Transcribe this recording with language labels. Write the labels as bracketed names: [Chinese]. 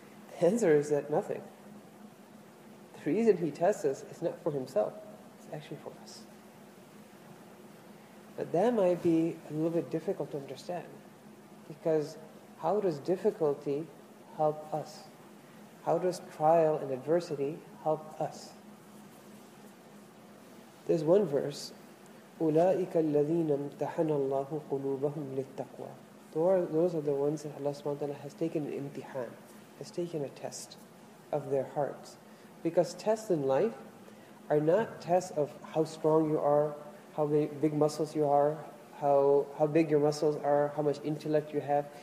[English] The answer is that nothing. The reason he tests us is not for himself, it's actually for us. But that might be a little bit difficult to understand. Because how does difficulty help us? How does trial and adversity help us? There's one verse, [Arabic] أُولَٰئِكَ الَّذِينَ امْتَحَنَ اللَّهُ قُلُوبَهُمْ لِلتَّقْوَىٰ. [English] Those are the ones that Allah subhanahu wa ta'ala has taken an imtihan, has taken a test of their hearts. Because tests in life are not tests of how strong you are, how big muscles you are, how big your muscles are, how much intellect you have.